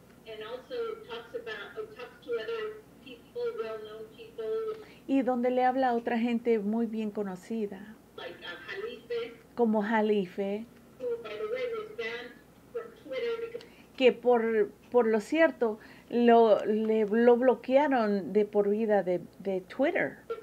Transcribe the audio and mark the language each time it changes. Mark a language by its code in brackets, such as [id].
[en] And also talks about, talks to other people, well-known people. [es] Y donde le habla a otra gente muy bien conocida. [en] Like Jalife. [es] Como Jalife. [en] Who, by the way, was banned from Twitter because... [es] Que por lo cierto, lo bloquearon de por vida de Twitter.